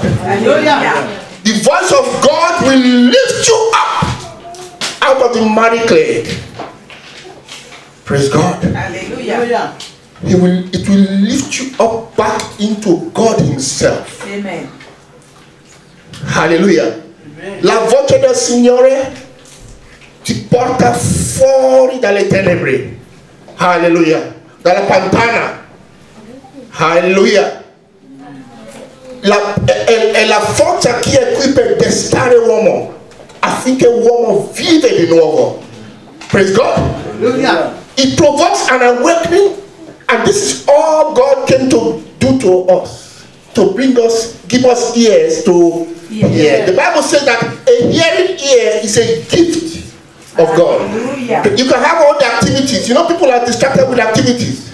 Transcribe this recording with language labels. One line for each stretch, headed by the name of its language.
English: Hallelujah. The voice of God will lift you up out of the muddy clay. Praise God. Hallelujah. It will lift you up back into God Himself. Amen. Hallelujah. Amen.
Italian: La voce del Signore ti porta fuori dalle tenebre. Hallelujah. Dalla pantana. Hallelujah. La forza che è qui per destare uomo affinché uomo vive di nuovo.
English: Praise God. Hallelujah. It provokes an awakening. And this is all God came to do to us, to bring us, give us ears to hear. The Bible says that a hearing ear is a gift of God. Hallelujah. You can have all the activities. You know, people are distracted with activities.